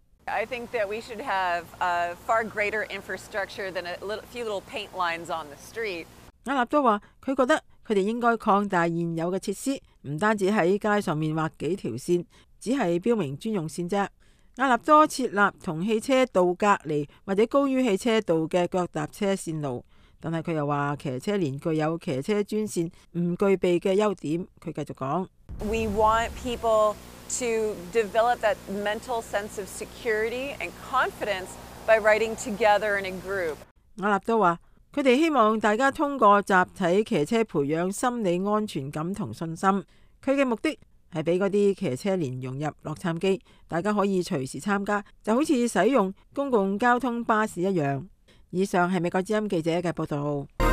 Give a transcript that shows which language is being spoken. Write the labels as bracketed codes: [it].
[en] I think that we should have a far greater infrastructure than a few little paint lines on the street. [zh] 亚纳多说，他觉得他们应该扩大现有的设施，不单止在街上面画几条线，只是标明专用线。亚纳多设立和汽车道隔离或者高于汽车道的脚踏车线路，但他又说骑车连具有骑车专线不具备的优点。他继续说， [en] We want people to develop that mental sense of security and confidence by riding together in a group. [zh] 亚纳多说，他们希望大家通过集体骑车培养心理安全感和信心。他的目的是给那些骑车连融入洛杉矶，大家可以随时参加，就好像使用公共交通巴士一样。以上是美国之音记者的报道。